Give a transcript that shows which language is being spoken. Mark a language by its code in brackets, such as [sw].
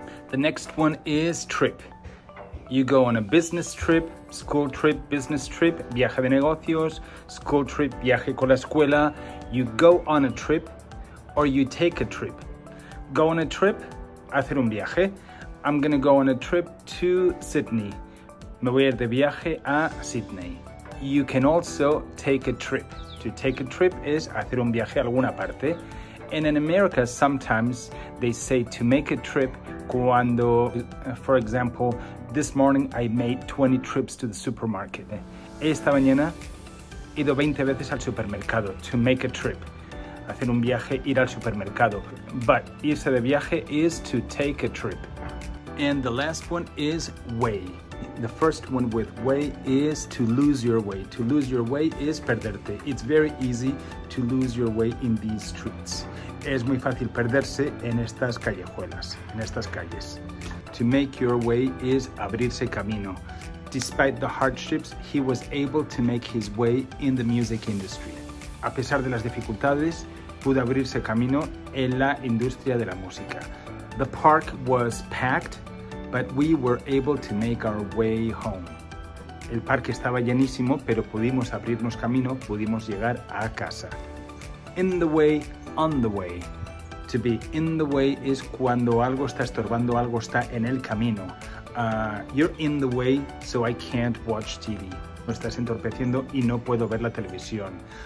[en] The next one is trip. You go on a business trip, school trip, business trip, [es] viaje de negocios, [en] school trip, [es] viaje con la escuela. [en] You go on a trip or you take a trip. Go on a trip, [es] hacer un viaje. [en] I'm gonna go on a trip to Sydney. [es] Me voy a ir de viaje a Sydney. [en] You can also take a trip. To take a trip is [es] hacer un viaje a alguna parte. [en] And in America, sometimes they say to make a trip cuando, for example, this morning I made 20 trips to the supermarket. [es] Esta mañana he ido 20 veces al supermercado. [en] To make a trip. [es] Hacer un viaje, ir al supermercado. [en] But [es] irse de viaje [en] is to take a trip. And the last one is way. The first one with way is to lose your way. To lose your way is perderte. It's very easy to lose your way in these streets. [es] Es muy fácil perderse en estas callejuelas, en estas calles. [en] To make your way is [es] abrirse camino. [en] Despite the hardships, he was able to make his way in the music industry. [es] A pesar de las dificultades, pudo abrirse camino en la industria de la música. [en] The park was packed, but we were able to make our way home. [es] El parque estaba llenísimo, pero pudimos abrirnos camino, pudimos llegar a casa. [en] In the way, on the way. To be in the way is [es] cuando algo está estorbando, algo está en el camino. [en] You're in the way, so I can't watch TV. [es] Me estás entorpeciendo y no puedo ver la televisión.